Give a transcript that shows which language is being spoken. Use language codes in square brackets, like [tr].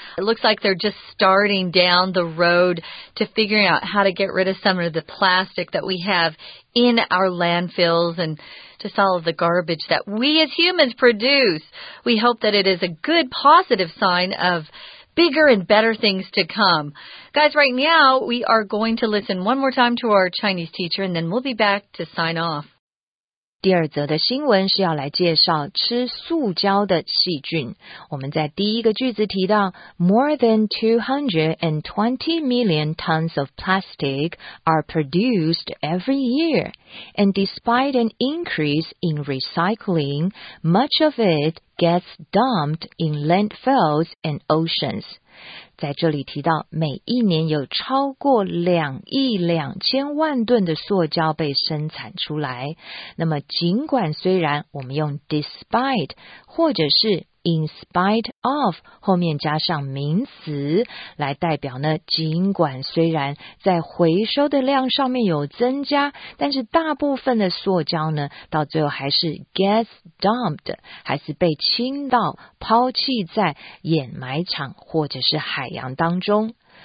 [en] It looks like they're just starting down the road to figuring out how to get rid of some of the plastic that we have in our landfills and just all of the garbage that we as humans produce. We hope that it is a good positive sign of bigger and better things to come. Guys, right now, we are going to listen one more time to our Chinese teacher, and then we'll be back to sign off. [zh] 第二则的新闻是要来介绍吃塑胶的细菌。我们在第一个句子提到 [en] ,more than 220 million tons of plastic are produced every year, and despite an increase in recycling, much of it gets dumped in landfills and oceans. [zh] 在这里提到每一年有超过2亿2000万吨的塑胶被生产出来。那么尽管虽然我们用 despite 或者是 [en] in spite of [zh] 后面加上名词来代表呢，尽管虽然在回收的量上面有增加，但是大部分的塑胶呢到最后还是 [en] gets dumped， [zh] 还是被倾倒抛弃在掩埋场或者是海洋当中。